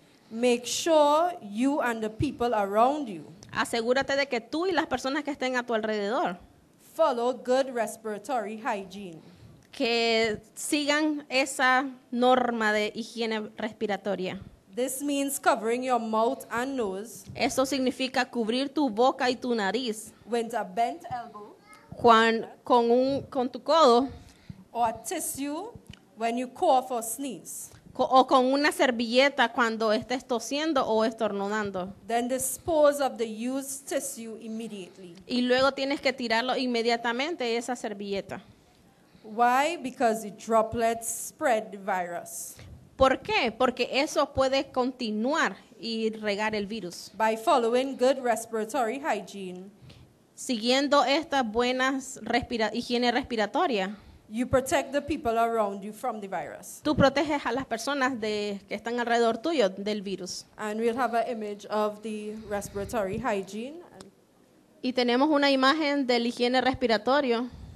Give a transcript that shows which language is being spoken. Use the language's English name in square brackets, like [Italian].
[English] Make sure you and the people around you. [Spanish] Asegúrate de que tú y las personas que estén a tu alrededor. [English] Follow good respiratory hygiene. [Spanish] Que sigan esa norma de higiene respiratoria. [English] This means covering your mouth and nose. [Spanish] Eso significa cubrir tu boca y tu nariz. [English] With a bent elbow. [Spanish] Con tu codo. [English] Or a tissue when you cough or sneeze. [Spanish] O con una servilleta cuando estés tosiendo o estornudando. [English] Then dispose of the used tissue immediately. [Spanish] Y luego tienes que tirarlo inmediatamente esa servilleta. [English] Why? Because the droplets spread the virus. [Spanish] ¿Por qué? Porque eso puede continuar y regar el virus. [English] By following good respiratory hygiene. [Spanish] Siguiendo estas buenas higiene respiratoria. [English] You protect the people around you from the virus. [Spanish] Tú proteges a las personas que están alrededor tuyo del virus. [English] And we'll have an image of the respiratory hygiene. [Spanish] Y tenemos una imagen de la higiene respiratoria.